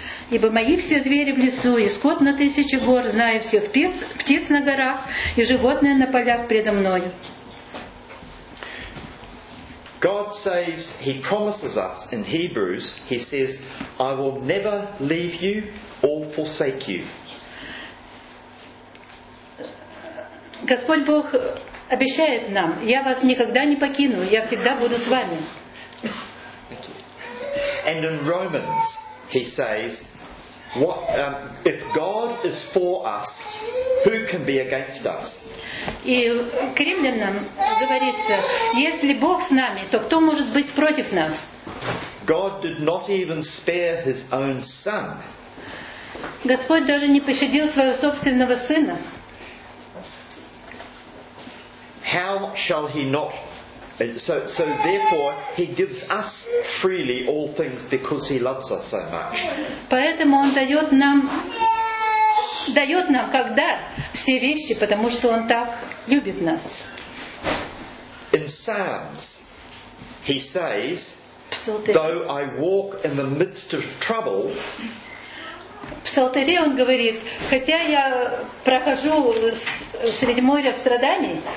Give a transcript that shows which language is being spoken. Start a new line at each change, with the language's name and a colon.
Russian: Ибо мои все звери в лесу, и скот на тысячи гор. Знаю всех птиц на горах, и животные на полях предо мною.
English: God says, he promises us in Hebrews, he says, I will never leave you or forsake you.
Russian: Господь Бог обещает нам, я вас никогда не покину, я всегда буду с вами.
English: And in Romans, he says, what, if God is for us, who can be against us?
Russian: И к римлянам говорится, если Бог с нами, то кто может быть против нас?
English: God did not even spare his own son.
Russian: Господь даже не пощадил своего собственного сына.
English: How shall he not? So therefore, he gives us freely all things because he loves us so much.
Russian: Поэтому он дает нам как дар все вещи, потому что он так любит нас.
English: In Psalms, he says, though I walk in the midst of trouble,
Russian: в Псалтыре он говорит, хотя я прохожу среди моря страданий,